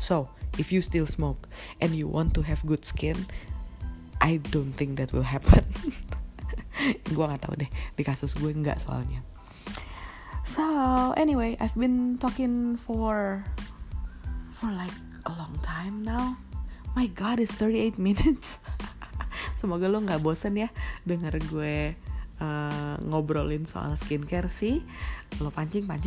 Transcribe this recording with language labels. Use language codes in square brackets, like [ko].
[en] So if you still smoke and you want to have good skin, I don't think that will happen. [id] Gue nggak tahu deh, di kasus gue enggak soalnya. [en] So anyway, I've been talking for like a long time now. My god, it's 38 minutes. [id] Semoga lo gak bosen ya denger gue ngobrolin soal skincare sih. Lo pancing.